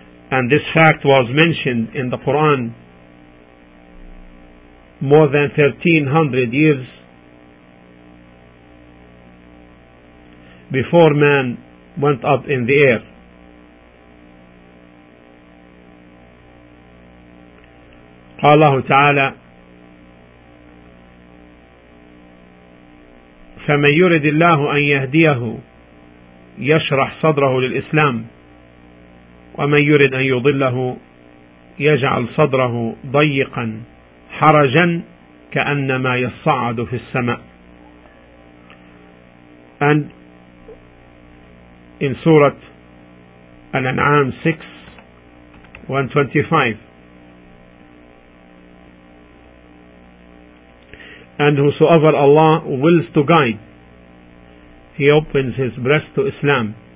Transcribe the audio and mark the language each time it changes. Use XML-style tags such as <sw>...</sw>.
<en>And this fact was mentioned in the Quran more than 1300 years before man went up in the air.</en> <ar>قال الله تعالى فمن يرد الله أن يهديه يشرح صدره للإسلام ومن يرد أن يضله يجعل صدره ضيقا حرجا كأنما يصعد في السماء.</ar> <en>And in Surah Al-An'am 6:125, and whosoever Allah wills to guide, He opens his breast to Islam.</en>